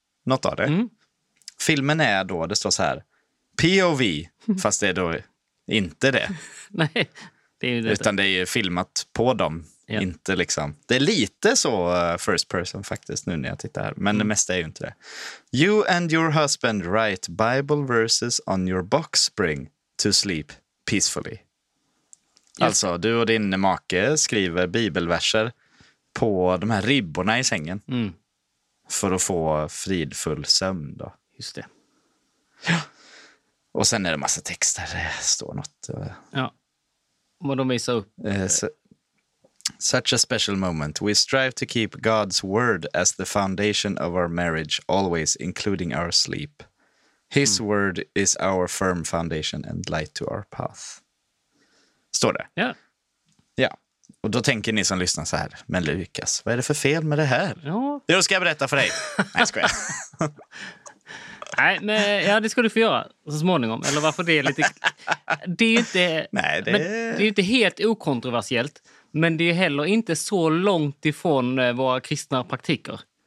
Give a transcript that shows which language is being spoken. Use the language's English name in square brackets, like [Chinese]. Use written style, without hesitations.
[Swedish] Något av det. Mm. Filmen är då, det står så här, POV, fast det är då inte det. Nej. Det. Utan det är ju filmat på dem, ja. Inte liksom. Det är lite så first person faktiskt nu när jag tittar här, men det mesta är ju inte det. [English] You and your husband write Bible verses on your box spring to sleep peacefully. [Swedish] Alltså, du och din make skriver bibelverser på de här ribborna i sängen för att få fridfull sömn då. Just det. Ja. Och sen är det massa texter, det står något. Ja. Och de visar upp. [English] Such a special moment. We strive to keep God's word as the foundation of our marriage, always including our sleep. His word is our firm foundation and light to our path. [Swedish] Står det? Ja. Ja. Och då tänker ni som lyssnar så här, men Lukas, vad är det för fel med det här? Ja. Då ska jag berätta för dig. Nej, skoja. Nej, men ja, det ska du få göra så småningom. Eller varför det är lite... Det är ju inte, nej, det är inte helt okontroversiellt. Men det är ju heller inte så långt ifrån våra kristna praktiker.